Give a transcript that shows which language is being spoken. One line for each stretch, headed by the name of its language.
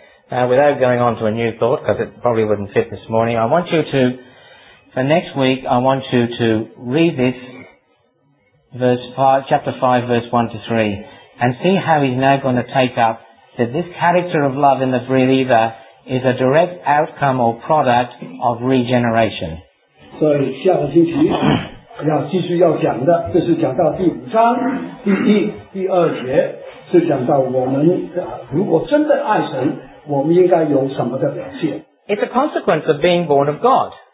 English: Now, without going on to a new thought, because it probably wouldn't fit this morning, I want you to, for next week, I want you to read this, chapter 5, verse 1 to 3, and see how he's now going to take up that this character of love in the believer is a direct outcome or product of regeneration.
Chinese: So, 下个星期要继续要讲的，这是讲到第五章第一、第二节，是讲到我们如果真的爱神。
English: It's a consequence of being born of God.